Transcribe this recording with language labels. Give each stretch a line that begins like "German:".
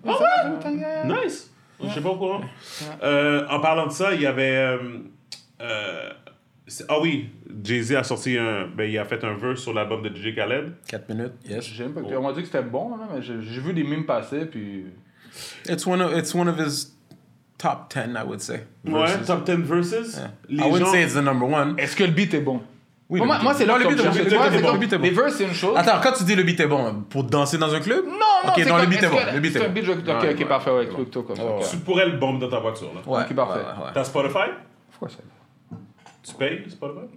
French: Ah ouais? Nice! Ouais. Je sais pas pourquoi. Ouais. En parlant de ça, il y avait... ah oui, Jay-Z a sorti un... Ben, il a fait un verse sur l'album de DJ Khaled.
English: 4 minutes, yes.
French: J'aime pas. Oh. On m'a dit que c'était bon, là, mais j'ai vu des mimes passer, puis...
English: It's one of his top 10, I would say. Verses. Ouais, top 10 verses. Yeah. I wouldn't say it's the number one.
French: Est-ce que le beat est bon? Oui, moi, c'est là le beat est bon. Les verses, c'est une chose. Attends, quand tu dis le beat est bon, pour danser dans un club? Non, non, okay, c'est le beat est bon. Le beat est bon. C'est un beat, ok, ouais, parfait, ouais, bon. Tout comme ça. Tu pourrais le bomber dans ta voiture, là. Ouais, ok, parfait. T'as Spotify?
English: Of course.
French: Tu payes Spotify?